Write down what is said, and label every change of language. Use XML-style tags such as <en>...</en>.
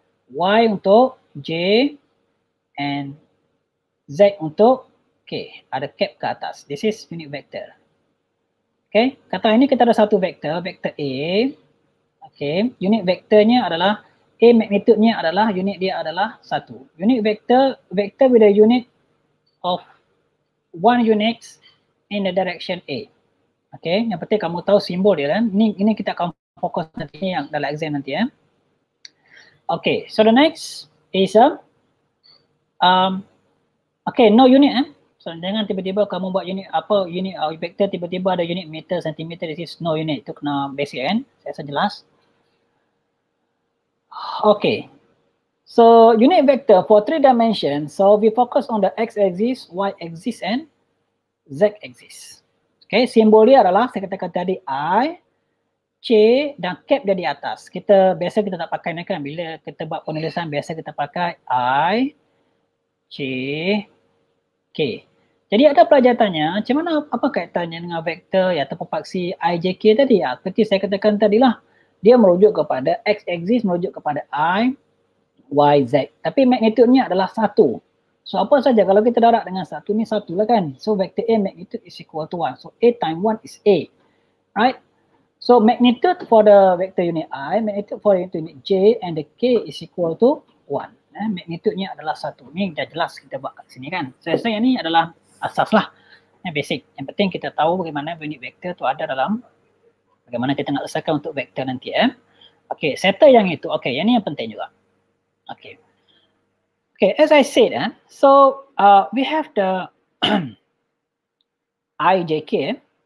<ms>Y untuk J and Z untuk K. Ada cap ke atas.</ms> <en>This is unit vector. Okay.</en> <ms>Kata ini kita ada satu vector, vector A.</ms> <en>Okay.</en> <ms>Unit vectornya adalah A magnitudenya adalah unit dia adalah 1.</ms> <en>Unit vector, vector with a unit of 1 units in the direction A.</en> <ms>Okay, yang penting kamu tahu simbol dia kan. Ini kita akan fokus nanti yang dalam exam nanti ya. Okay,</ms> <en>so the next is a okay, no unit eh.</en> <ms>So jangan tiba-tiba kamu buat unit apa unit vector tiba-tiba ada unit meter, centimeter,</ms> <en>this is no unit.</en> <ms>Itu kena basic kan. Saya rasa jelas.</ms> <en>Okay, so unit vector for three dimension, so we focus on the x axis, y axis and z axis.</en> <ms>Okay, simbol dia adalah saya katakan tadi I, C dan cap dia di atas. Kita biasa kita tak pakai ni kan, bila kita buat penulisan biasa kita pakai I, C, K. Jadi ada pelajar tanya, macam mana apa kaitannya dengan vector ya, atau paksi I, J, K tadi? Ya? Seperti saya katakan tadilah. Dia merujuk kepada x axis, merujuk kepada I, y, z. Tapi magnitudenya adalah 1. So apa saja kalau kita darab dengan 1 ni 1 lah kan.</ms> <en>So vector A magnitude is equal to 1. So A times 1 is A. Right? So magnitude for the vector unit I, magnitude for the unit J and the K is equal to 1.</en> <ms>Eh, magnitudenya adalah 1. Ni dah jelas kita buat kat sini kan. So saya ni adalah asas lah. Yang basic. Yang penting kita tahu bagaimana unit vector tu ada dalam bagaimana kita nak selesaikan untuk vektor nanti ya. Eh? Okay, settle yang itu. Okay, yang ni yang penting juga.</ms> <en>Okay. Okay, as I said, eh, so we have the I, J, K. Eh?</en>